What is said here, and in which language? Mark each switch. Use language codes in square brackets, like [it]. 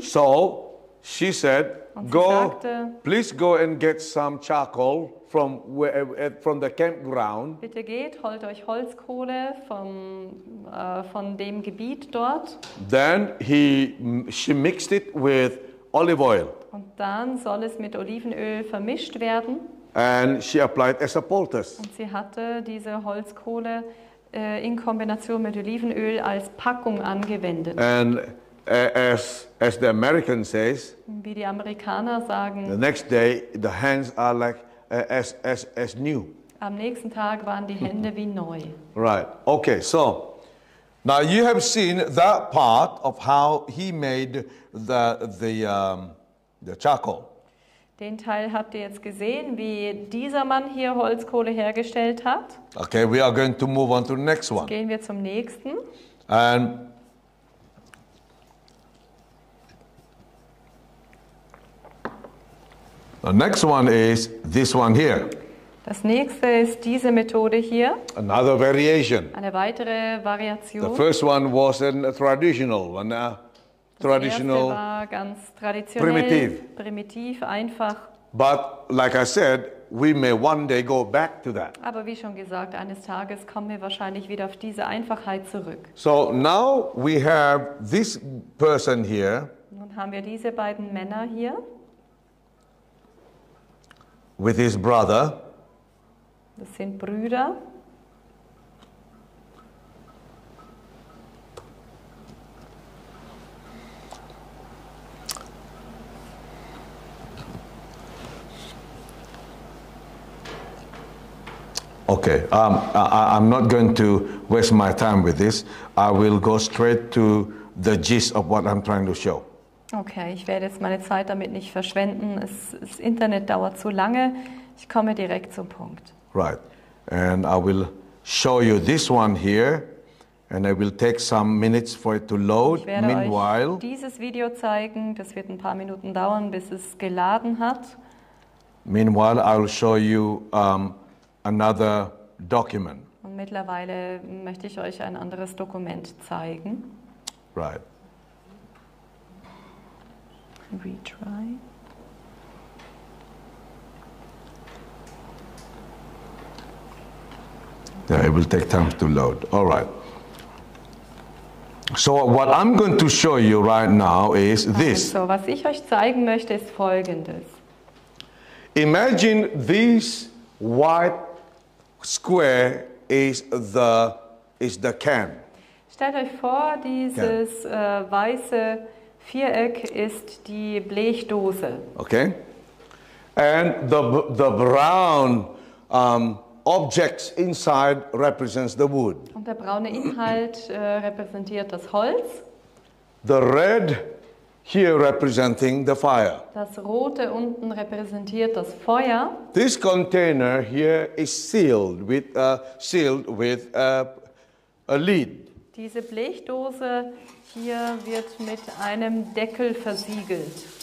[en] So she said, go, [de] sagte, [en] please go and get some charcoal from where, from the campground. [de] Bitte geht, holt euch Holzkohle vom von dem Gebiet dort. [en] Then she mixed it with olive oil. [de] Und dann soll es mit Olivenöl vermischt werden. [en] And she applied as a poultice. [de] Und sie hatte diese Holzkohle in Kombination mit Olivenöl als Packung angewendet. [en] And as the American says, [de] wie die Amerikaner sagen, [en] the next day the hands are like as new. [de] Am nächsten Tag waren die Hände wie neu. [en] Right. Okay. So now you have seen that part of how he made the charcoal. [de] Den Teil habt ihr jetzt gesehen, wie dieser Mann hier Holzkohle hergestellt hat. [en] Okay, we are going to move on to the next one. [de] Jetzt gehen wir zum nächsten. [en] The next one is this one here. [de] Das nächste ist diese Methode hier. [en] Another variation. [de] Eine weitere Variation. [en] The first one was a traditional one. Traditional, [de] ganz traditionell, primitiv, einfach. [en] But like I said, we may one day go back to that. [de] Aber wie schon gesagt, eines Tages kommen wir wahrscheinlich wieder auf diese Einfachheit zurück. [en] So now we have this person here. [de] Nun haben wir diese beiden Männer hier. [en] With his brother. Das sind Brüder. [de] Okay, I'm not going to waste my time with this. I will go straight to the gist of what I'm trying to show. Okay, ich werde jetzt meine Zeit damit nicht verschwenden. Das Internet dauert zu lange. Ich komme direkt zum Punkt. [en] Right, and I will show you this one here, and it will take some minutes for it to load. [de] Ich werde [en] meanwhile, [de] euch dieses Video zeigen. Das wird ein paar Minuten dauern, bis es geladen hat. [en] Meanwhile, I will show you another document. [de] Und mittlerweile möchte ich euch ein anderes Dokument zeigen. [en] Right. Retry. Yeah, it will take time to load. All right. So what I'm going to show you right now is this. [de] So was ich euch zeigen möchte ist Folgendes. [en] Imagine these white square is the can. [de] Stellt euch vor, dieses weiße Viereck ist die Blechdose. [en] Okay. And the brown objects inside represents the wood. [de] Und der braune Inhalt repräsentiert das Holz. [en] The red here representing the fire. [de] Das rote unten repräsentiert das Feuer. [en] This container here is sealed with a lid. [de] Diese Blechdose hier wird mit einem Deckel versiegelt.